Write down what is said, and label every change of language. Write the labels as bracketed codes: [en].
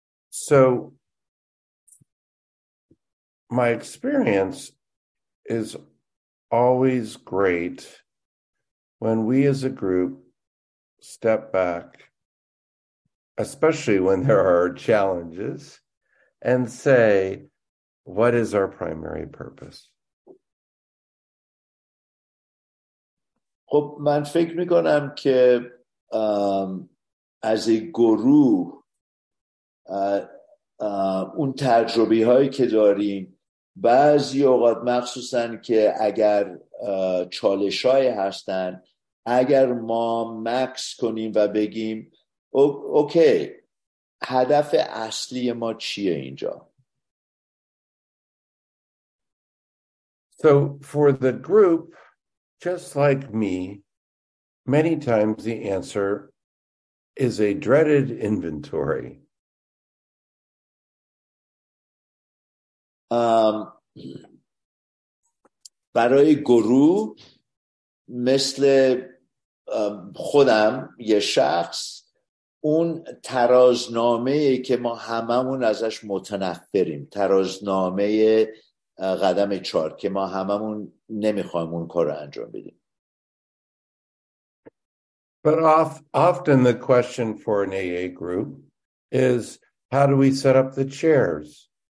[en] So my experience is always great when we as a group step back, especially when there are challenges, and say, what is our primary purpose? [fa] خب من فکر میکنم که از این گروه اون تجربی هایی که داریم بعضی اوقات مخصوصا که اگر چالش های هستن، اگر ما مکس کنیم و بگیم اوکی هدف اصلی ما چیه اینجا؟ [en] So for the group, just like me, many times the answer is a dreaded inventory. [fa] برای گروه مثل خودم یه شخص اون ترازنامه که ما هممون ازش متنفریم، ترازنامه قدم چهار که ما هممون نمیخوایم اون کار رو انجام بدیم. [en] But often the question for an AA group is, how do we set up the chairs?